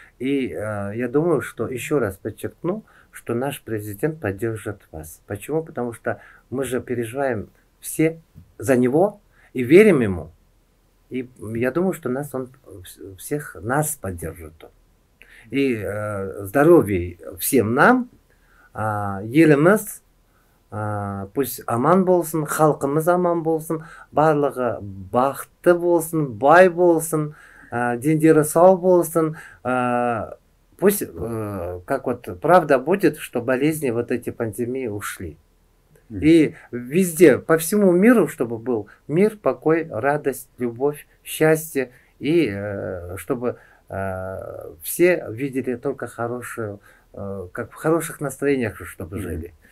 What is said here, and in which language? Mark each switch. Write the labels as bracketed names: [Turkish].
[Russian] И я думаю, что еще раз подчеркну, что наш президент поддержит вас. Почему? Потому что мы же переживаем все за него и верим ему. И я думаю, что нас он всех нас поддержит. И здоровья всем нам, [Kazakh] еліміз, [Russian] пусть [Kazakh] аман болсын, халқымыз аман болсын, барлығы бақытты болсын, бай болсын, дендері сау болсын. [Russian] Пусть, как вот, правда будет, что болезни вот эти пандемии ушли. И везде, по всему миру, чтобы был мир, покой, радость, любовь, счастье. И чтобы все видели только хорошую, как в хороших настроениях, чтобы жили.